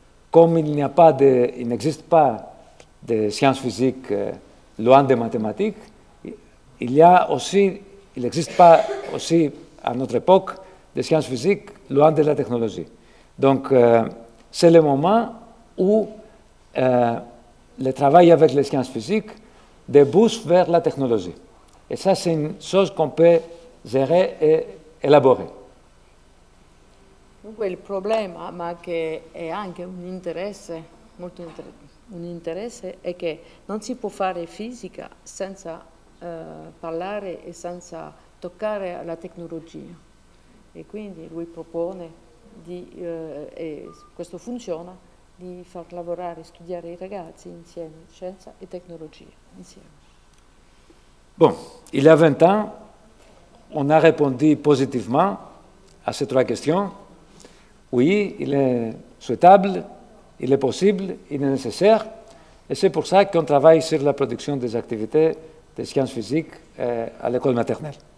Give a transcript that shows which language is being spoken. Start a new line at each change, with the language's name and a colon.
French: Comme il n'existe pas de sciences physiques loin des mathématiques, il n'existe pas aussi à notre époque des sciences physiques loin de la technologie. Donc, c'est le moment où le travail avec les sciences physiques débouche vers la technologie. Et ça, c'est une chose qu'on peut gérer et élaborer.
Italian: Dunque, il problema, ma che è anche un interesse, molto un interesse, è che non si può fare fisica senza parlare e senza toccare la tecnologia. E quindi lui propone, e questo funziona, di far lavorare, studiare i ragazzi insieme, scienza e tecnologia, insieme.
French: Bon, il y a 20 ans, on a répondu positivement à ces trois questions. Oui, il est souhaitable, il est possible, il est nécessaire. Et c'est pour ça qu'on travaille sur la production des activités des sciences physiques à l'école maternelle.